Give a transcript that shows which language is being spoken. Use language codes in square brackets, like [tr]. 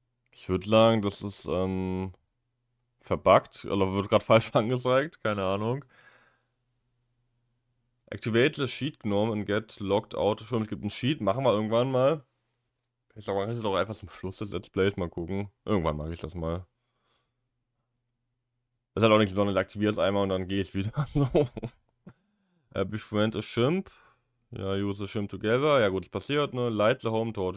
[de] Ich würde sagen, das ist, verbuggt. Oder wird gerade falsch angezeigt? Keine Ahnung. [en] Activate the Sheet Gnome and get logged out. [de] Schon, es gibt ein Sheet. Machen wir irgendwann mal. Ich sag mal, kann ich das doch einfach zum Schluss des Let's Plays mal gucken. Irgendwann mache ich das mal. Das hat auch nichts Besonderes. Aktiviere es einmal und dann gehe ich wieder. [en] So. Befriend a Shimp. Ja, use the Shimp together. [de] Ja, gut, es passiert, ne? [en] Light the Home Torch.